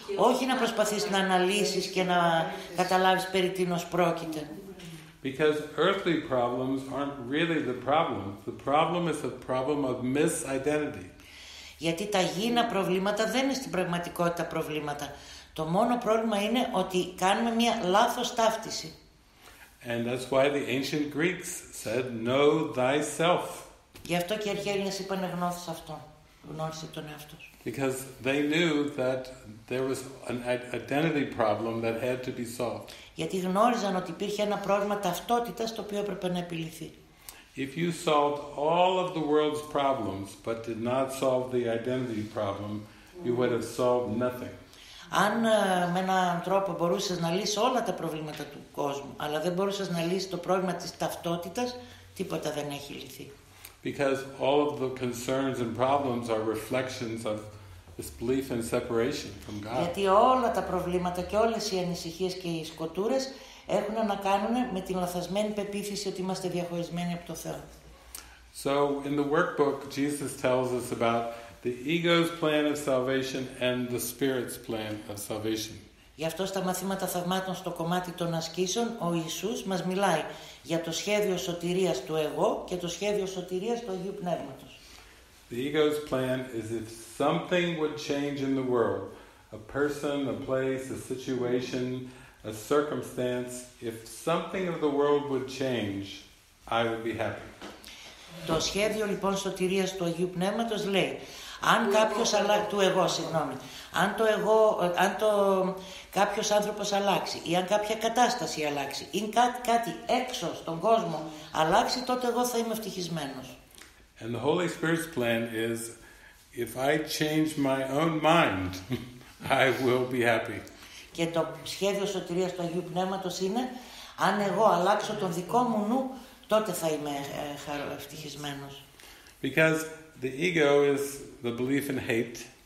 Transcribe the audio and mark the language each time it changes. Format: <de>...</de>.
<el>Όχι να προσπαθείς να αναλύσεις και να καταλάβεις περί τίνος πρόκειται.</el> <en>Because earthly problems aren't really the problem. The problem is a problem of misidentity.</en> <el>Γιατί τα γήινα προβλήματα δεν είναι στην πραγματικότητα προβλήματα. Το μόνο πρόβλημα είναι ότι κάνουμε μια λάθος ταύτιση.</el> <en>And that's why the ancient Greeks said, "Know thyself."</en> <el>Γι' αυτό και οι αρχαίοι Έλληνες είπαν, γνώρισε αυτό. Γνώρισε τον εαυτό σου.</el> <en>Because they knew that there was an identity problem that had to be solved.</en> <el>Γιατί γνώριζαν ότι υπήρχε ένα πρόβλημα ταυτότητας το οποίο έπρεπε να επιλυθεί.</el> <en>If you solved all of the world's problems but did not solve the identity problem, you would have solved nothing.</en> <el>Αν με έναν τρόπο μπορούσες να λύσεις όλα τα προβλήματα του κόσμου, αλλά δεν μπορούσες να λύσεις το πρόβλημα της ταυτότητας, τίποτα δεν έχει λυθεί.</el> <en>Because all of the concerns and problems are reflections of this belief in separation from God.</en> <el>Γιατί όλα τα προβλήματα και όλες οι ανησυχίες και οι σκοτούρες έχουν να κάνουν με την λαθασμένη πεποίθηση ότι είμαστε διαχωρισμένοι από το Θεό.</el> <en>So in the workbook, Jesus tells us about the ego's plan of salvation and the spirit's plan of salvation.</en> <el>Γι' αυτό στα μαθήματα θαυμάτων στο κομμάτι των ασκήσεων, ο Ιησούς μας μιλάει για το σχέδιο σωτηρίας του εγώ και το σχέδιο σωτηρίας του Αγίου Πνεύματος.</el> <en>The ego's plan is if something would change in the world, a person, a place, a situation, a circumstance, if something of the world would change, I would be happy.</en> <el>Το σχέδιο λοιπόν σωτηρίας του Αγίου Πνεύματος λέει, αν κάποιος αλλάξει, του εγώ, συγγνώμη, αν το εγώ, αν το κάποιος άνθρωπος αλλάξει ή αν κάποια κατάσταση αλλάξει ή κάτι έξω στον κόσμο αλλάξει, τότε εγώ θα είμαι ευτυχισμένος.</el> <en>And the Holy Spirit's plan is, if I change my own mind, I will be happy.</en> <el>Και το σχέδιο σωτηρίας του Αγίου Πνεύματος είναι, αν εγώ αλλάξω τον δικό μου νου, τότε θα είμαι ευτυχισμένος.</el> <en>Because the ego is the belief in hate.</en>